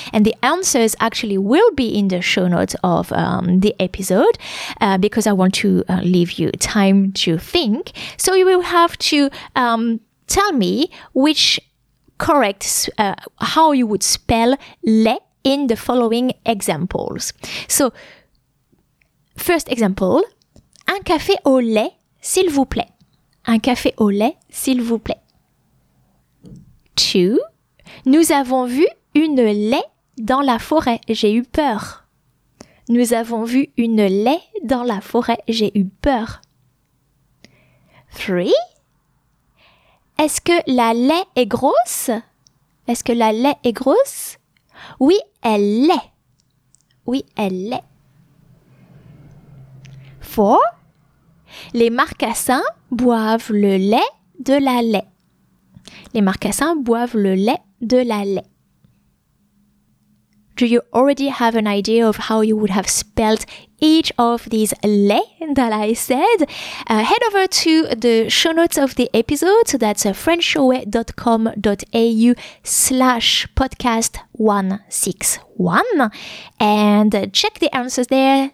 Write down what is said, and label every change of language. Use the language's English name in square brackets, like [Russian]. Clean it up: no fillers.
[English] And the answers actually will be in the show notes of the episode because I want to leave you time to think. So you will have to tell me which correct, how you would spell let in the following examples. So, first example, [French] un café au lait, s'il vous plaît. Un café au lait, s'il vous plaît. [English] Two, [French] nous avons vu une lait dans la forêt, j'ai eu peur. Nous avons vu une lait dans la forêt, j'ai eu peur. [English] three. [French] Est-ce que la lait est grosse? Est-ce que la lait est grosse? Oui, elle l'est. Oui, elle l'est. [English] Four. [French] Les marcassins boivent le lait de la lait. Les marcassins boivent le lait de la lait. [English] Do you already have an idea of how you would have spelled each of these lait that I said? Head over to the show notes of the episode. So that's frenchaway.com.au/podcast161 and check the answers there.